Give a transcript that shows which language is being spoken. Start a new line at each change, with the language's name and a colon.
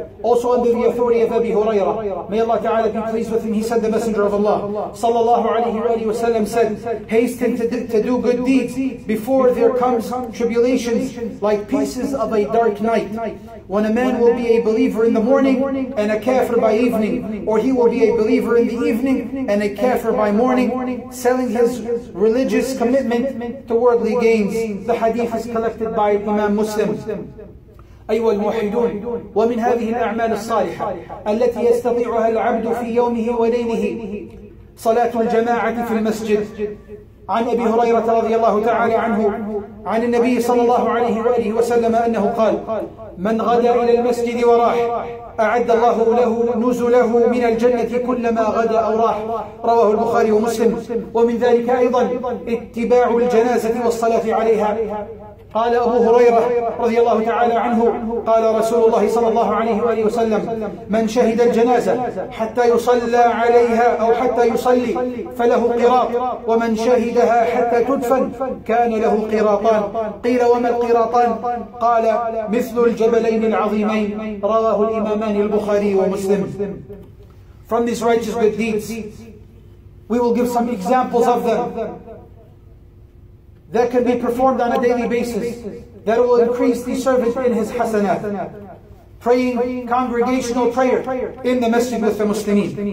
English: Also under the authority of Abi Hurairah, may Allah Ta'ala be pleased with him, he said, the Messenger of Allah sallallahu alayhi wa sallam said, hasten to do good deeds before there comes tribulations like pieces of a dark night, when a man will be a believer in the morning and a kafir by evening, or he will be a believer in the evening and a kafir by morning, selling his religious commitment to worldly gains. The hadith is collected by Imam Muslim.
Arabic: أيها الموحدون، ومن هذه الأعمال الصالحة التي يستطيعها العبد في يومه وليله صلاة الجماعة في المسجد. عن أبي هريرة رضي الله تعالى عنه عن النبي صلى الله عليه وآله وسلم أنه قال: من غدا إلى المسجد وراح أعد الله له نزله من الجنة كلما غدا أو راح. رواه البخاري ومسلم. ومن ذلك أيضا اتباع الجنازة والصلاة عليها. قال أبو هريرة رضي الله تعالى عنه: قال رسول الله صلى الله عليه وآله وسلم: من شهد الجنازة حتى يصلى عليها أو حتى يصلي فله قراط، ومن شهدها حتى تدفن كان له قراطان. قيل: وما القراطان؟ قال: مثل الجبلين العظيمين. رواه الإمامان البخاري ومسلم.
English: From these righteous good deeds, we will give some examples of them that can be performed on a daily basis, that will increase the servant in his hasanat. Praying congregational prayer in the masjid with the Muslimin.